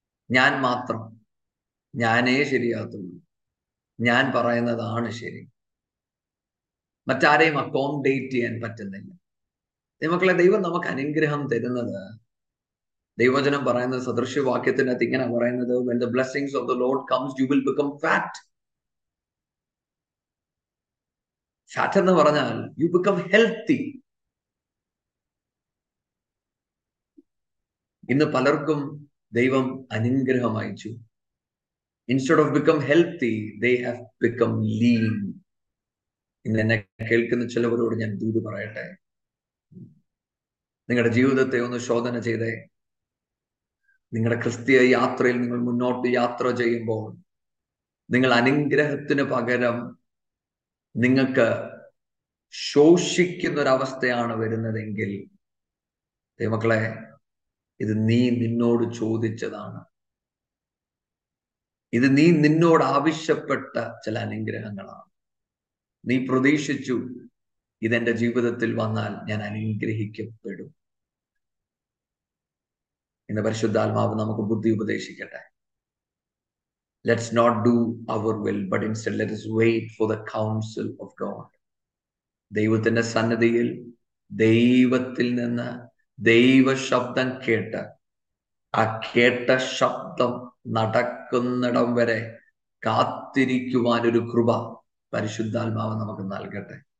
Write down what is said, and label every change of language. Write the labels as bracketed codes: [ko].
[ml] ഞാൻ മാത്രം, ഞാനേ ശരിയാകത്തുള്ളൂ, ഞാൻ പറയുന്നതാണ് ശരി, മറ്റാരെയും അക്കോമഡേറ്റ് ചെയ്യാൻ പറ്റുന്നില്ല. ദൈവമക്കളെ, ദൈവം നമുക്ക് അനുഗ്രഹം തരുന്നത്, ദൈവവചനം പറയുന്ന സദൃശ്യവാക്യത്തിൻ്റെ അകത്ത് ഇങ്ങനെ പറയുന്നത്, [en] when the blessings of the Lord comes, you will become fat. Fat [ml] എന്ന് പറഞ്ഞാൽ [en] you become healthy. [ml] ഇന്ന് പലർക്കും ദൈവം അനുഗ്രഹം അയച്ചു. [en] Instead of become healthy, they have become lean. [ml] ഇന്ന് എന്നെ കേൾക്കുന്ന ചിലവരോട് ഞാൻ ദൂത് പറയട്ടെ, നിങ്ങളുടെ ജീവിതത്തെ ഒന്ന് ശോധന ചെയ്തേ. നിങ്ങളുടെ ക്രിസ്തീയ യാത്രയിൽ നിങ്ങൾ മുന്നോട്ട് യാത്ര ചെയ്യുമ്പോൾ നിങ്ങൾ അനുഗ്രഹത്തിന് പകരം നിങ്ങൾക്ക് ശോഷിക്കുന്ന ഒരവസ്ഥയാണ് വരുന്നതെങ്കിൽ, ദൈവമക്കളെ, ഇത് നീ നിന്നോട് ചോദിച്ചതാണ്, ഇത് നീ നിന്നോട് ആവശ്യപ്പെട്ട ചില അനുഗ്രഹങ്ങളാണ്. നീ പ്രതീക്ഷിച്ചു ഇതെന്റെ ജീവിതത്തിൽ വന്നാൽ ഞാൻ അനുഗ്രഹിക്കപ്പെടും. ഇന്ന് പരിശുദ്ധാത്മാവ് നമുക്ക് ബുദ്ധി ഉപദേശിക്കട്ടെ. [en] Let's not do our will, but instead let us wait for the counsel of God. [ml] ദൈവത്തിന്റെ സന്നിധിയിൽ ദൈവത്തിൽ നിന്ന് ദൈവ ശബ്ദം കേട്ട് ആ കേട്ട ശബ്ദം നടക്കുന്നിടം വരെ കാത്തിരിക്കുവാനൊരു കൃപ പരിശുദ്ധാത്മാവ് നമുക്ക് നൽകട്ടെ.